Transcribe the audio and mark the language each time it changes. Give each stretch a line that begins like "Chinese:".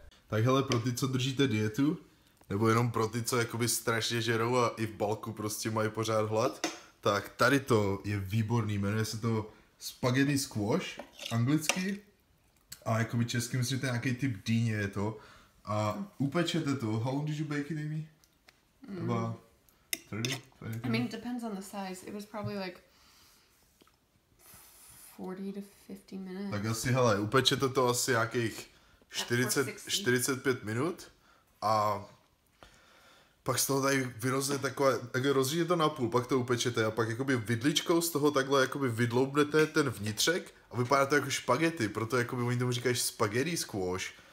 Czech: Tak hele, pro ty, co držíte dietu, nebo jenom pro ty, co jakoby strašně žerou a i v balku prostě mají pořád hlad, tak tady to je výborný, jmenuje se to spaghetti squash, anglicky, a jakoby česky myslím, že to je nějaký typ dýně je to, a upečete to,
English: how long did you bake it, Amy? Mm. About 30, 20? I mean, it depends on the size, it was probably like 40 to 50 minutes.
Czech: Tak asi, hele, upečete to asi nějakých 45 minut a pak z toho tady vyrozne takové, tak rozřídíte to na půl, pak to upečete a pak jakoby vidličkou z toho takhle jakoby vydloubnete ten vnitřek a vypadá to jako špagety, proto jakoby oni tomu říkají spaghetti squash,